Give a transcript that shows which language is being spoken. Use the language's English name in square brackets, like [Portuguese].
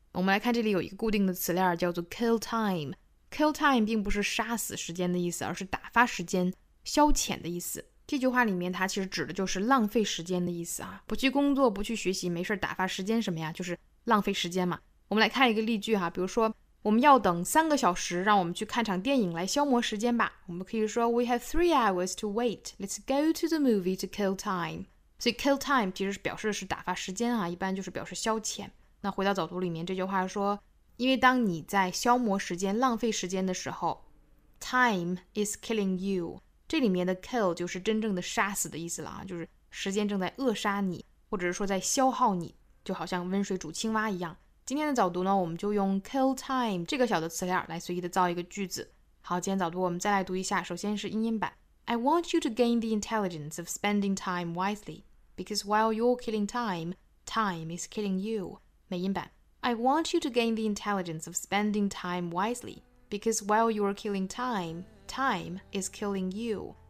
[Chinese] 我们来看这里有一个固定的词链叫做 kill time。kill time 并不是杀死时间的意思，而是打发时间、消遣的意思。这句话里面它其实指的就是浪费时间的意思啊，不去工作，不去学习，没事打发时间什么呀，就是浪费时间嘛。我们来看一个例句哈，比如说我们要等三个小时，让我们去看场电影来消磨时间吧。 [English] 我们可以说 We have 3 hours to wait. Let's go to the movie to kill time. [Chinese] 所以 kill time 其实表示的是打发时间啊，一般就是表示消遣。那回到早读里面这句话说，因为当你在消磨时间、浪费时间的时候， [English] time is killing you. [Chinese] 这里面的 kill 就是真正的杀死的意思了啊，就是时间正在扼杀你，或者是说在消耗你，就好像温水煮青蛙一样。今天的早读呢，我们就用 kill time 这个小的词链来随意的造一个句子。好，今天早读我们再来读一下，首先是英音版。 [English] I want you to gain the intelligence of spending time wisely, because while you're killing time, time is killing you. [Chinese] 美音版。 [English] I want you to gain the intelligence of spending time wisely, because while you're killing time, time is killing you.